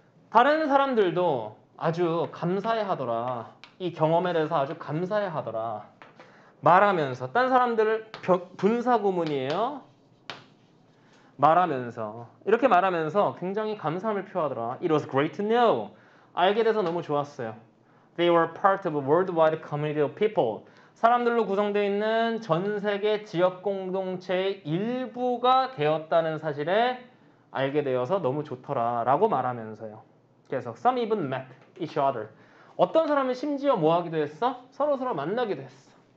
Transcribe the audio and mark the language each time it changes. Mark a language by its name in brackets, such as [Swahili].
[Korean] 다른 사람들도 아주 감사해하더라. 이 경험에 대해서 아주 감사해하더라. 말하면서 딴 사람들을 분사 구문이에요. 말하면서 이렇게 말하면서 굉장히 감사함을 표하더라. [English] It was great to know. [Korean] 알게 돼서 너무 좋았어요. [English] They were part of a worldwide community of people. [Korean] 사람들로 구성되어 있는 전 세계 지역 공동체의 일부가 되었다는 사실에 알게 되어서 너무 좋더라 라고 말하면서요. 계속 [English] some even met each other. [Korean] 어떤 사람은 심지어 뭐 하기도 했어? 서로서로 만나기도 했어.